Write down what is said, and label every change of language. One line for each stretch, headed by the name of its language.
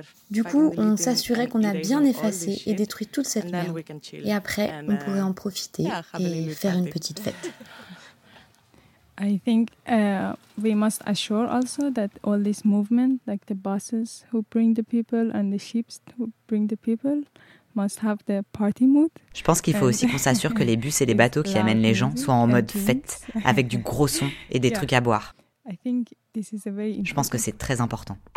French: Du coup, on s'assurait qu'on a bien effacé et détruit toute cette merde. Et après, on pourrait en profiter et faire une petite fête.
English: I think we must assure also that all this movement, like the buses who bring the people and the ships who bring the people, must have the party mood.
French: Je pense qu'il faut aussi qu'on s'assure que les bus et les bateaux qui amènent les gens soient en mode fête, avec du gros son et des trucs à boire. Je pense que c'est très important.